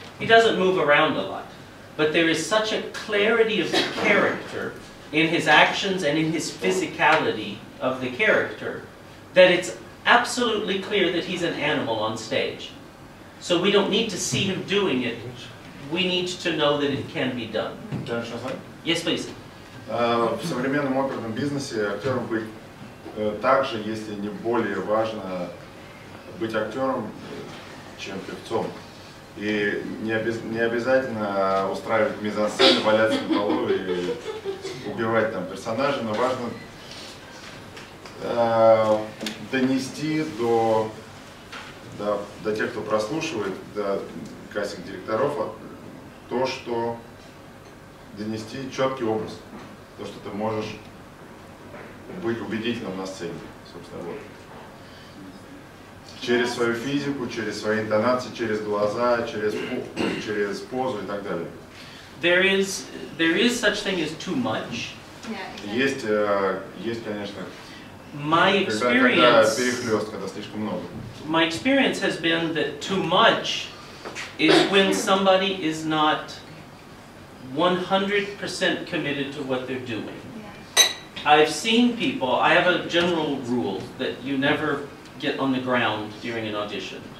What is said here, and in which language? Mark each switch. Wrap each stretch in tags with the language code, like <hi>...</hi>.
<en>He doesn't move around a lot. But there is such a clarity of the character in his actions and in his physicality of the character that it's absolutely clear that he's an animal on stage. So we don't need to see him doing it. We need to know that it can be done. Yes, please.</en> <ru>В современном оперном бизнесе актером быть также, если не более важно быть актером, чем певцом. И не обязательно устраивать мизансцены, валяться на полу и убивать там персонажей, но важно донести до тех, кто прослушивает, до кастинг-директоров, то, что донести четкий образ, то, что ты можешь быть убедительным на сцене, собственно, вот. Через свою физику, через свои интонации, через глаза, через позу и так далее.</ru> <en>There is such thing as too much.</en> <ru>Есть, конечно.</ru> <en>My experience.</en> <ru>Когда перехлёст, когда слишком много.</ru> <en>My experience has been that too much is when somebody is not 100% committed to what they're doing. I've seen people. I have a general rule that you never get on the ground during an audition.</en>